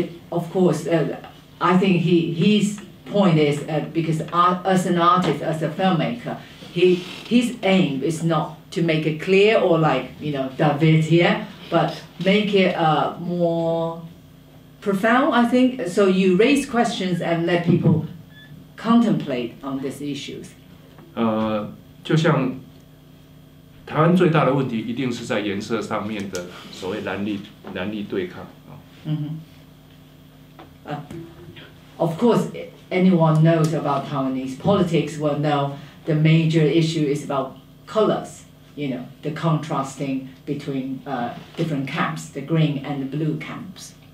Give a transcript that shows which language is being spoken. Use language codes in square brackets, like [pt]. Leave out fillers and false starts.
[en] Of course, I think his point is because as an artist, as a filmmaker, his aim is not to make it clear or like, you know, David here, but make it more profound, I think. So you raise questions and let people contemplate on these issues. [zh] 就像台湾最大的问题一定是在颜色上面的所谓蓝绿对抗。 [en] Of course, anyone knows about Taiwanese politics will know the major issue is about colors, you know, the contrasting between different camps, the green and the blue camps.